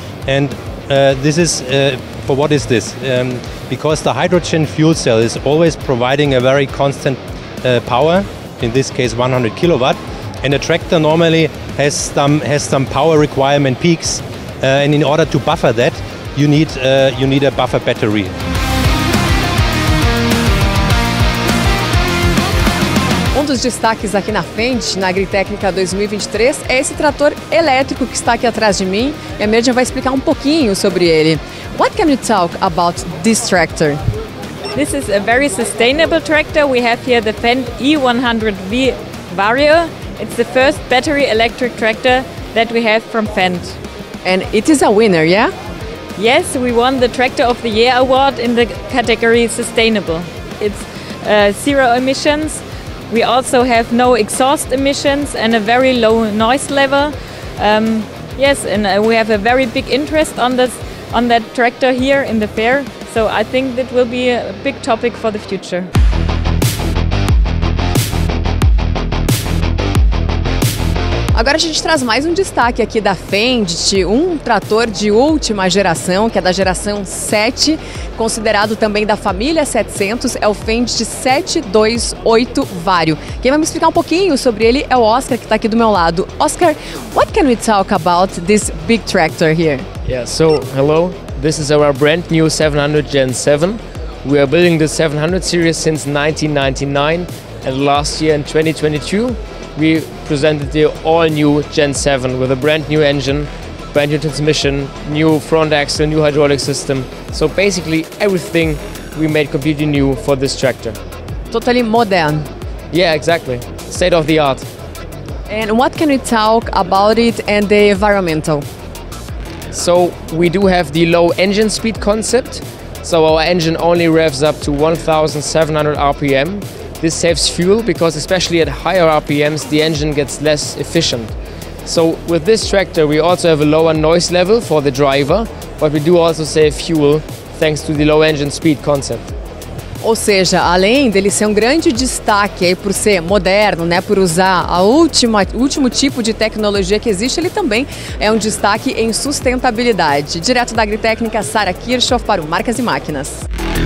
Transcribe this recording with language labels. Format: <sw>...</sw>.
<en>And this is, for what is this? Because the hydrogen fuel cell is always providing a very constant power, in this case 100 kilowatt. And a tractor normally has some power requirement peaks, and in order to buffer that, you need a buffer battery.</en> <pt>Um dos destaques aqui na FENDT, na Agritechnica 2023, é esse trator elétrico que está aqui atrás de mim, e a Mirjam vai explicar um pouquinho sobre ele.</pt> <en>What can you talk about this tractor? This is a very sustainable tractor. We have here the FENDT E100V Vario. It's the first battery electric tractor that we have from FENDT. And it is a winner, yeah? Yes, we won the Tractor of the Year award in the category sustainable. It's zero emissions. We also have no exhaust emissions and a very low noise level. We have a very big interest on that tractor here in the fair. So I think that will be a big topic for the future. Agora a gente traz mais um destaque aqui da FENDT, um trator de última geração, que é da geração 7, considerado também da família 700, é o FENDT 728 Vario. Quem vai me explicar um pouquinho sobre ele é o Oscar, que está aqui do meu lado. Oscar, what can we talk about this big tractor here? Yeah, so, hello, this is our brand new 700 Gen 7. We are building the 700 series since 1999, and last year in 2022, we presented the all-new Gen 7 with a brand new engine, brand new transmission, new front axle, new hydraulic system. So basically everything we made completely new for this tractor. Totally modern. Yeah, exactly. State of the art. And what can we talk about it and the environmental? So we do have the low engine speed concept. So our engine only revs up to 1,700 RPM. This saves fuel because especially at higher RPMs, the engine gets less efficient. So with this tractor, we also have a lower noise level for the driver, but we do also save fuel thanks to the low engine speed concept.</en> <pt>Ou seja, além dele ser um grande destaque aí por ser moderno, né, por usar a última, último tipo de tecnologia que existe, ele também é um destaque em sustentabilidade. Direto da Agritechnica, Sara Kirchhoff para o Marcas e Máquinas.</pt>